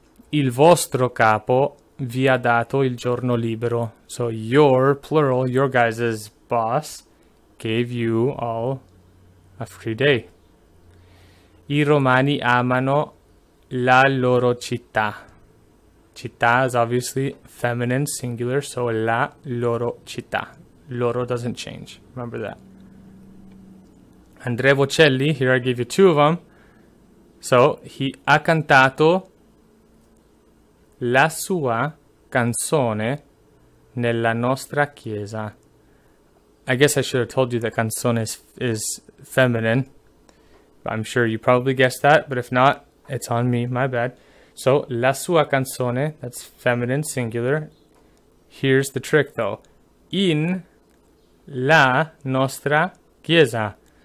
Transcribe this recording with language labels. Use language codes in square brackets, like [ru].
[it] Il vostro capo vi ha dato il giorno libero. [en] So your, plural, your guys' boss gave you all a free day. [it] I Romani amano la loro città. [en] Città is obviously feminine singular, so [it] la loro città. [en] Loro doesn't change. Remember that. Andrea Bocelli, here I give you two of them. [it] So, he ha cantato la sua canzone nella nostra chiesa. [en] I guess I should have told you that canzone is feminine. I'm sure you probably guessed that, but if not, it's on me, my bad. So, [it] la sua canzone, [en] that's feminine singular. Here's the trick though. In [it] la nostra chiesa.